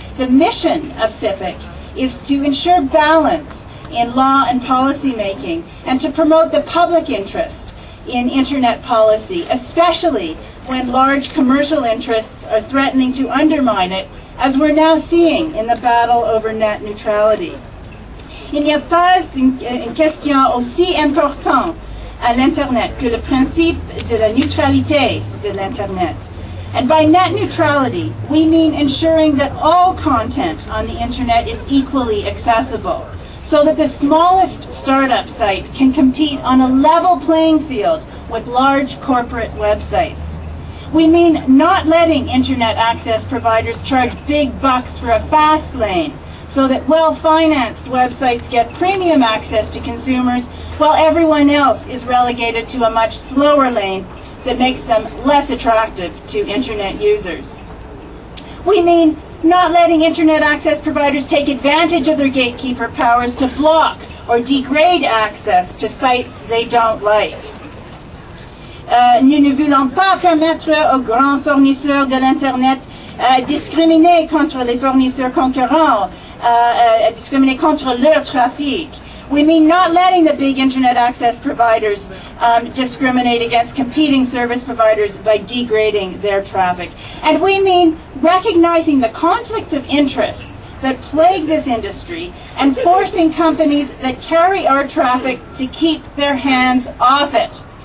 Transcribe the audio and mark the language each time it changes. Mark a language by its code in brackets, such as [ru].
[en] The mission of CIPPIC is to ensure balance in law and policy making and to promote the public interest in internet policy, especially when large commercial interests are threatening to undermine it, as we're now seeing in the battle over net neutrality. [fr] Il n'y a pas une question aussi importante à l'Internet que le principe de la neutralité de l'Internet. [en] And by net neutrality, we mean ensuring that all content on the internet is equally accessible, so that the smallest startup site can compete on a level playing field with large corporate websites. We mean not letting internet access providers charge big bucks for a fast lane, so that well-financed websites get premium access to consumers, while everyone else is relegated to a much slower lane that makes them less attractive to internet users. We mean not letting internet access providers take advantage of their gatekeeper powers to block or degrade access to sites they don't like. [fr] Nous ne voulons pas permettre aux grands fournisseurs de l'internet discriminer contre les fournisseurs concurrents, discriminer contre leur trafic. [en] We mean not letting the big internet access providers discriminate against competing service providers by degrading their traffic. And we mean recognizing the conflicts of interest that plague this industry and forcing companies that carry our traffic to keep their hands off it.